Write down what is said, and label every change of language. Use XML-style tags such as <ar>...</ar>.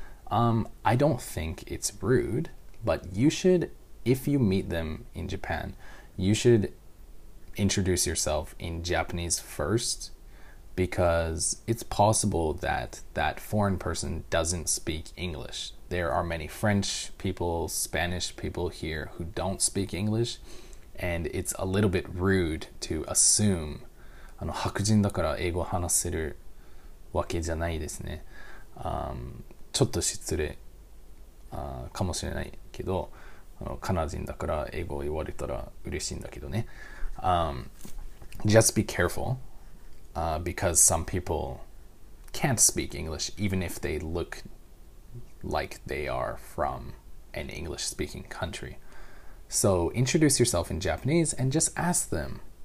<en>I don't think it's rude, but you should, if you meet them in Japan, you should introduce yourself in Japanese first, because it's possible that that foreign person doesn't speak English. There are many French people, Spanish people here who don't speak English, and it's a little bit rude to assume.</en> <ja>白人だから英語話せるわけじゃないですね。ちょっと失礼かもしれないけど、カナダ人だから英語を言われたら嬉しいんだけどね。</ja> <en>Just be careful, because some people can't speak English even if they look like they are from an English-speaking country. So introduce yourself in Japanese and just ask them,</en>